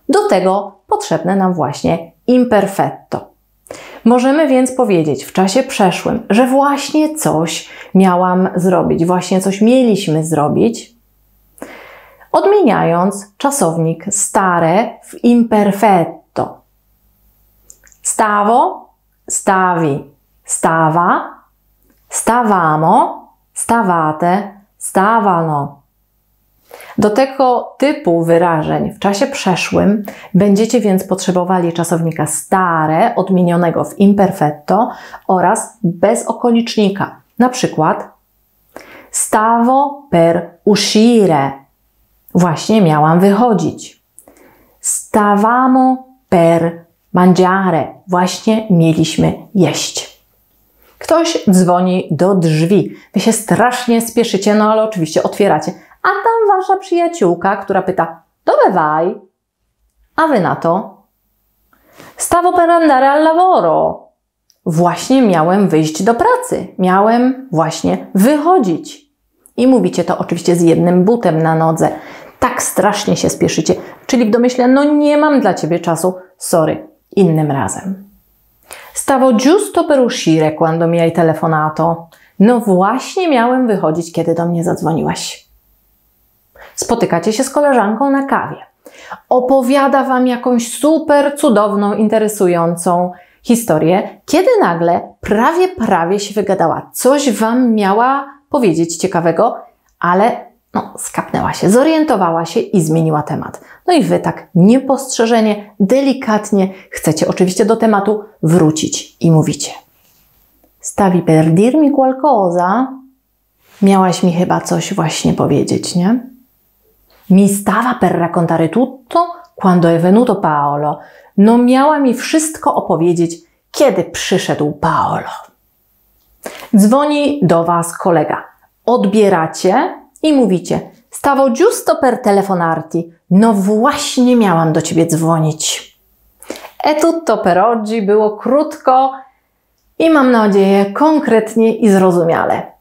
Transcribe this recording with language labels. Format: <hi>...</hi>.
<pl>Do tego potrzebne nam właśnie imperfetto. Możemy więc powiedzieć w czasie przeszłym, że właśnie coś miałam zrobić, właśnie coś mieliśmy zrobić, odmieniając czasownik stare w imperfetto.</pl> <it>Stavo, stavi, stava, stavamo, stavate, stavano.</it> <pl>Do tego typu wyrażeń w czasie przeszłym będziecie więc potrzebowali czasownika stare, odmienionego w imperfetto oraz bez okolicznika. Na przykład</pl> <it>stavo per uscire.</it> <pl>Właśnie miałam wychodzić.</pl> <it>Stavamo per mangiare.</it> <pl>Właśnie mieliśmy jeść. Ktoś dzwoni do drzwi. Wy się strasznie spieszycie, no ale oczywiście otwieracie. A tam wasza przyjaciółka, która pyta,</pl> <it>dove vai?</it> <pl>A wy na to?</pl> <it>Stavo per andare al lavoro.</it> <pl>Właśnie miałem wyjść do pracy. Miałem właśnie wychodzić. I mówicie to oczywiście z jednym butem na nodze. Tak strasznie się spieszycie. Czyli w domyśle, no nie mam dla ciebie czasu. Sorry, innym razem.</pl> <it>Stavo giusto per uscire quando mi hai telefonato.</it> <pl>No właśnie miałem wychodzić, kiedy do mnie zadzwoniłaś. Spotykacie się z koleżanką na kawie. Opowiada wam jakąś super cudowną, interesującą historię, kiedy nagle prawie się wygadała. Coś wam miała powiedzieć ciekawego, ale no, skapnęła się, zorientowała się i zmieniła temat. No i wy tak niepostrzeżenie, delikatnie chcecie oczywiście do tematu wrócić i mówicie.</pl> <it>Stavi per dirmi qualcosa?</it> <pl>Miałaś mi chyba coś właśnie powiedzieć, nie?</pl> <it>Mi stava per raccontare tutto quando è venuto Paolo.</it> <pl>No miała mi wszystko opowiedzieć, kiedy przyszedł Paolo. Dzwoni do was kolega. Odbieracie i mówicie.</pl> <it>Stavo giusto per telefonarti.</it> <pl>No właśnie miałam do ciebie dzwonić.</pl> <it>E tutto per oggi</it> <pl>było krótko i mam nadzieję konkretnie i zrozumiale.</pl>